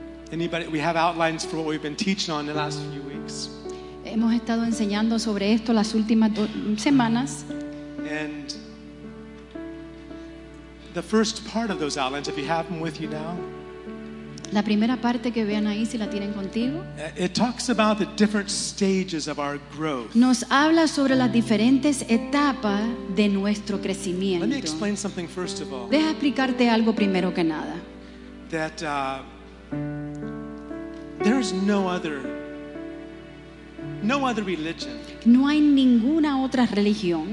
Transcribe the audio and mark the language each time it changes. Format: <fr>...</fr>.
<en>Anybody, we have outlines for what we've been teaching on the last few weeks.</en> <es>Hemos estado enseñando sobre esto las últimas semanas.</es> <en>And the first part of those outlines, if you have them with you now.</en> <es>La primera parte que vean ahí, si la tienen contigo.</es> <en>It talks about the different stages of our growth.</en> <es>Nos habla sobre las diferentes etapas de nuestro crecimiento.</es> <en>Let me explain something first of all.</en> <es>Deja explicarte algo primero que nada.</es> <en>That there is no other religion.</en> <es>No hay ninguna otra religión.</es>